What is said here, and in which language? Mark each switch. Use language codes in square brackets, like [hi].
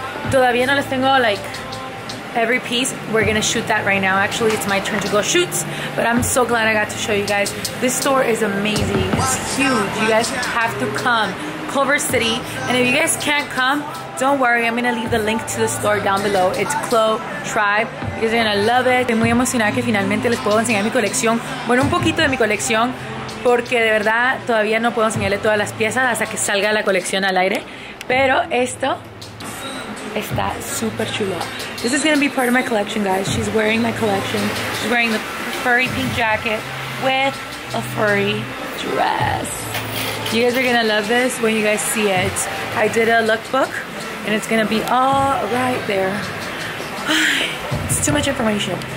[es] Todavía no les tengo, [en] like, every piece. We're gonna shoot that right now. Actually, it's my turn to go shoot, but I'm so glad I got to show you guys. This store is amazing. It's huge. You guys have to come. Culver City. And if you guys can't come, don't worry. I'm gonna leave the link to the store down below. It's Clo Tribe. You guys are gonna love it. [es] Estoy muy emocionada que finalmente les puedo enseñar mi colección. Bueno, un poquito de mi colección, porque de verdad todavía no puedo enseñarle todas las piezas hasta que salga la colección al aire. Pero esto está super chulo. [en] This is gonna be part of my collection, guys. She's wearing my collection. She's wearing the furry pink jacket with a furry dress. You guys are gonna love this when you guys see it. I did a lookbook and it's gonna be all right there. It's too much information.